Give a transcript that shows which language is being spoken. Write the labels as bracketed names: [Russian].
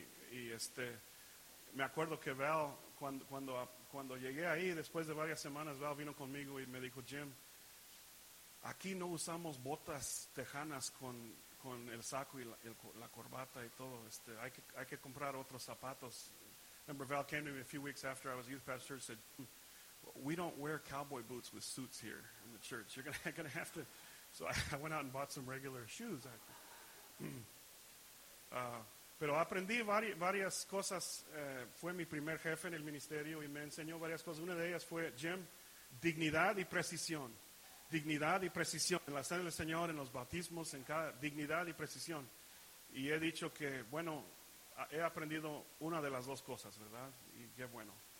[Spanish] Y me acuerdo que Val, cuando llegué ahí, después de varias semanas, Val vino conmigo y me dijo, Jim, aquí no usamos botas tejanas con el saco y la corbata y todo. Hay que comprar otros zapatos. [English] Remember, Val came to me a few weeks after I was youth pastor and said, we don't wear cowboy boots with suits here in the church. You're going to have to. So I went out and bought some regular shoes. [Spanish] Pero aprendí varias cosas. Fue mi primer jefe en el ministerio y me enseñó varias cosas. Una de ellas fue, Jim, dignidad y precisión. Dignidad y precisión. En la cena del Señor, en los bautismos, en cada dignidad y precisión. Y he dicho que, bueno, he aprendido una de las dos cosas, ¿verdad? Y qué bueno.